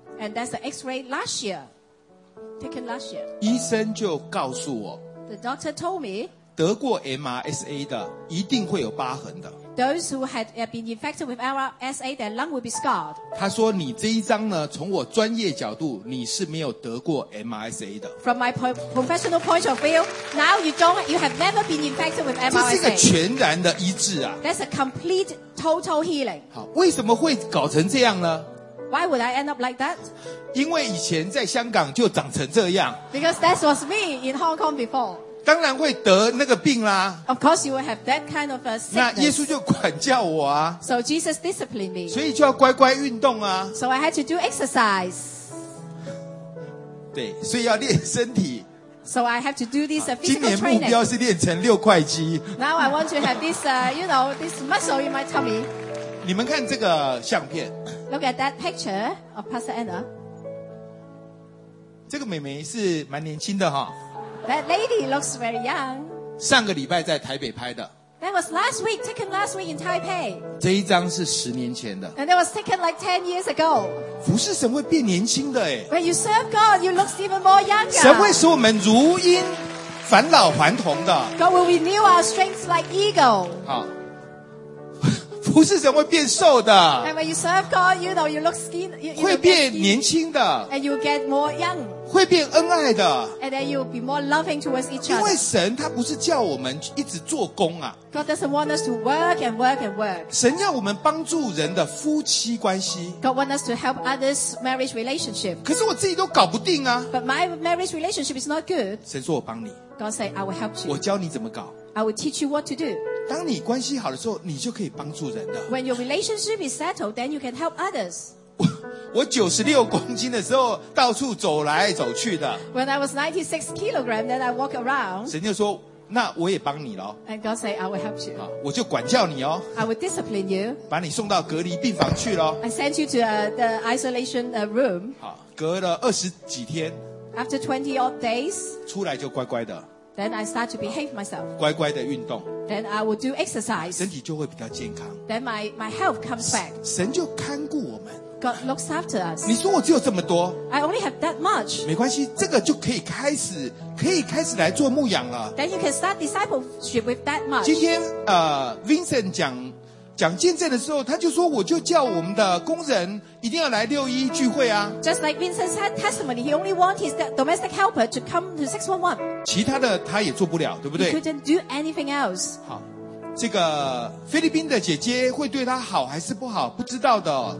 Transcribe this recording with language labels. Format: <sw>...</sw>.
<en>And that's the x-ray last year Taken last year</en> <zh>医生就告诉我</zh> <en>The doctor told me</en> <zh>得过 MRSA 的一定会有疤痕的</zh> <en>Those who had been infected with MRSA their lung would be scarred</en> <zh>他说你这一张呢从我专业角度你是没有得过 MRSA 的</zh> <en>From my professional point of view Now you have never been infected with MRSA</en> <zh>这是一个全然的医治啊</zh> <en>That's a complete total healing</en> <zh>好，为什么会搞成这样呢</zh> <en>Why would I end up like that?</en> <zh>因为以前在香港就长成这样。</zh> <en>Because that was me in Hong Kong before.</en> <zh>当然会得那个病啦。</zh> <en>Of course you will have that kind of a sickness.</en> <zh>那耶稣就管教我啊。</zh> <en>So Jesus disciplined me.</en> <zh>所以就要乖乖运动啊。</zh> <en>So I had to do exercise.</en> <zh>对，所以要练身体。</zh> <en>So I have to do this physical training.</en> <zh>今年目标是练成六块肌。</zh> <en>Now I want to have this, you know, this muscle in my tummy.</en> <zh>你们看这个相片。</zh> <en>Look at that picture of Pastor Anna.</en> <zh>这个妹妹是蛮年轻的哈。</zh> <en>That lady looks very young.</en> <zh>上个礼拜在台北拍的。</zh> <en>That was last week, taken last week in Taipei.</en> <zh>这一张是十年前的。</zh> <en>And that was taken like 10 years ago.</en> <zh>服侍神会变年轻的耶。</zh> <en>When you serve God, you look even more younger.</en> <zh>神会使我们如鹰返老还童的。</zh> <en>God will renew our strength like eagle.</en> <zh>好。服侍神会变瘦的。</zh> <en>And when you serve God, you know, you look skin, you look</en> <zh>会变年轻的。</zh> <en>And you get more young.</en> <zh>会变恩爱的</zh> <en>and then you'll be more loving towards each other.</en> <zh>因为神他不是叫我们一直做工啊</zh> <en>God doesn't want us to work and work and work.</en> <zh>神要我们帮助人的夫妻关系</zh> <en>God wants us to help others' marriage relationship.</en> <zh>可是我自己都搞不定啊</zh> <en>But my marriage relationship is not good.</en> <zh>神说我帮你</zh> <en>God say I will help you.</en> <zh>我教你怎么搞</zh> <en>I will teach you what to do.</en> <zh>当你关系好的时候你就可以帮助人的</zh> <en>When your relationship is settled, then you can help others.</en> <zh>我96公斤的时候到处走来走去的</zh> <en>When I was 96 kilograms then I walk around</en> <zh>神就说那我也帮你咯</zh> <en>And God said I will help you</en> <zh>我就管教你哦</zh> <en>I will discipline you</en> <zh>把你送到隔离病房去咯</zh> <en>I sent you to the isolation room</en> <zh>隔了二十几天</zh> <en>After 20 odd days</en> <zh>出来就乖乖的</zh> <en>Then I start to behave myself</en> <zh>乖乖的运动</zh> <en>Then I will do exercise</en> <zh>身体就会比较健康</zh> <en>Then my health comes back</en> <zh>神就看顾我们</zh> <en>God looks after us.</en> <zh>你说我只有这么多</zh> <en>I only have that much.</en> <zh>没关系这个就可以开始来做牧养了</zh> <en>Then you can start discipleship with that much.</en> <zh>今天Vincent 讲见证的时候他就说我就叫我们的工人一定要来六一聚会啊</zh> <en>Just like Vincent's testimony, he only wants his domestic helper to come to 611.</en> <zh>其他的他也做不了对不对</zh> <en>He couldn't do anything else.</en> <zh>好这个菲律宾的姐姐会对他好还是不好不知道的</zh>